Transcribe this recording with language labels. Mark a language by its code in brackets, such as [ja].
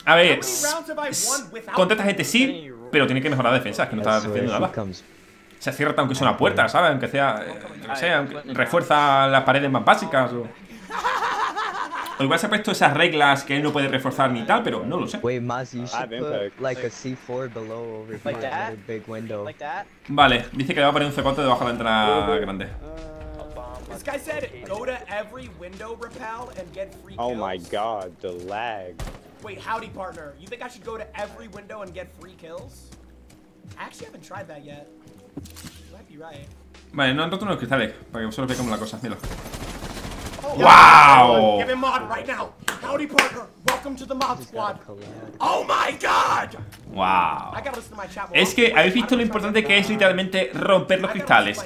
[es] A ver, contesta gente sí, pero tiene que mejorar la defensa, que no está defendiendo nada. Se cierra aunque sea una puerta, ¿sabes? Aunque sea, no sé, aunque refuerza las paredes más básicas o... O igual se ha puesto esas reglas que él no puede reforzar ni tal, pero no lo sé. [en] Wait, Maz, you should put like a C4 below over here, like that? Big window. Like that? [es] Vale, dice que le va a poner un C4 debajo de la entrada grande. [en] This guy said go to every window rappel and get free kills. Oh my god, the lag. Wait, howdy partner, you think I should go to every window and get free kills? I actually haven't tried that yet. You might be right. [es] Vale, no han roto unos cristales, para que vosotros veáis cómo la cosa, míralo. [en] Wow! Give him mod right now. Howdy, Parker. Welcome to the mod squad. Oh my god! Wow. [es] Es que habéis visto lo importante que es literalmente romper los cristales.